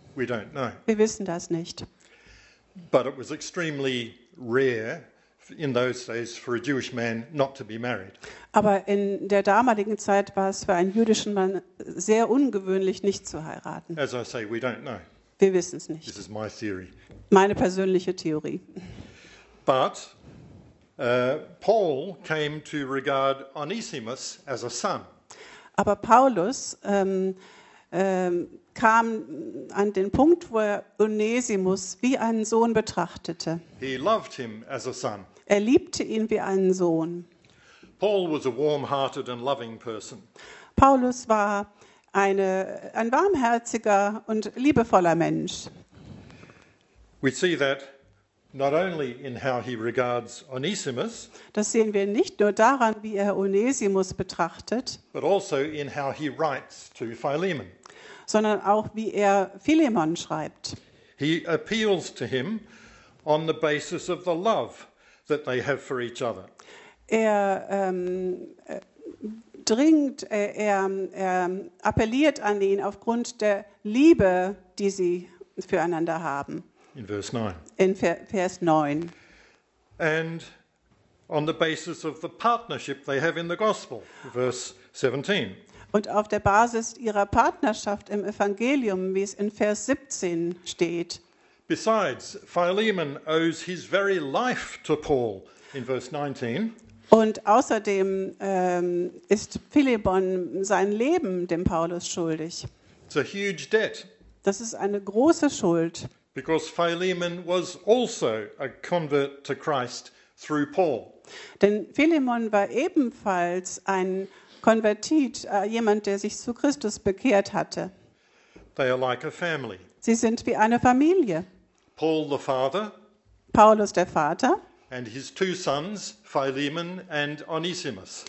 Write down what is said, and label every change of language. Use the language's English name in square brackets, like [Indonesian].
[English] We don't know. [German] Wir wissen das nicht. [English] But it was extremely rare in those days for a Jewish man not to be married. [German] Aber in der damaligen Zeit war es für einen jüdischen Mann sehr ungewöhnlich, nicht zu heiraten. [English] As I say, we don't know. [German] Wir wissen es nicht. [English] This is my theory. [German] Meine persönliche Theorie. [English] But Paul came to regard Onesimus as a son. [German] Aber Paulus kam an den Punkt, wo er Onesimus wie einen Sohn betrachtete. [English] He loved him as a son. [German] Er liebte ihn wie einen Sohn. [English] Paul was a warm-hearted and loving person. [German] Paulus war ein warmherziger und liebevoller Mensch. [English] We see that Not only in how he regards Onesimus, [German] das sehen wir nicht nur daran, wie er Onesimus betrachtet, [English] but also in how he writes to Philemon. [German] Sondern auch, wie er Philemon schreibt. [English] He appeals to him on the basis of the love that they have for each other. [German] Er appelliert an ihn aufgrund der Liebe, die sie füreinander haben. In Vers 9. [English] And on the basis of the partnership they have in the gospel, verse 17. [German] Und auf der Basis ihrer Partnerschaft im Evangelium, wie es in Vers 17 steht. [English] Besides, Philemon owes his very life to Paul in verse 19. [German] Und außerdem ist Philemon sein Leben dem Paulus schuldig. [English] It's a huge debt. [German] Das ist eine große Schuld. [English] Because Philemon was also a convert to Christ through Paul. [German] Denn Philemon war ebenfalls ein Konvertit, jemand, der sich zu Christus bekehrt hatte. [English] They are like a family. [German] Sie sind wie eine Familie. [English] Paul the father. [German] Paulus der Vater. [English] And his two sons, Philemon and Onesimus.